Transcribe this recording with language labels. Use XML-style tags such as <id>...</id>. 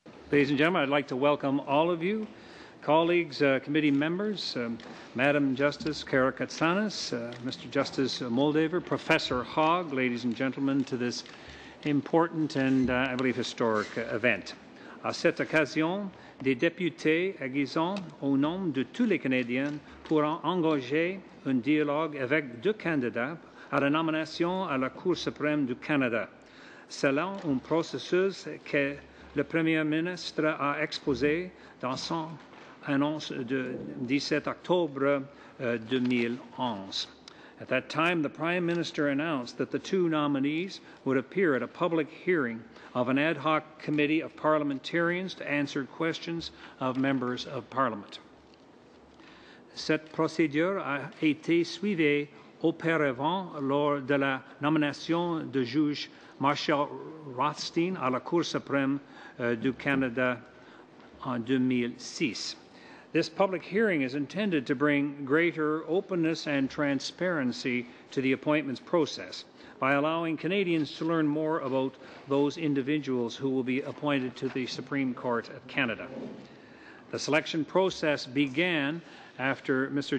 <en>Ladies and gentlemen, I'd like to welcome all of you, colleagues, committee members, Madam Justice Karakatsanis, Mr. Justice Moldaver, Professor Hogg, ladies and gentlemen, to this important and, I believe, historic event.</en> <fr>À cette occasion, des députés aiguisant au nom de tous les Canadiens pourront engager un dialogue avec deux candidats à la nomination à la Cour suprême du Canada, selon un processus que le Premier ministre a exposé dans son annonce de 17 octobre 2011.</fr> <en>At that time, the Prime Minister announced that the two nominees would appear at a public hearing of an ad hoc committee of parliamentarians to answer questions of members of Parliament.</en> <fr>Cette procédure a été suivie auparavant lors de la nomination de juge Marshall Rothstein à la Cour suprême du Canada en 2006.</fr> <en>This public hearing is intended to bring greater openness and transparency to the appointments process by allowing Canadians to learn more about those individuals who will be appointed to the Supreme Court of Canada. The selection process began after Mr.</en>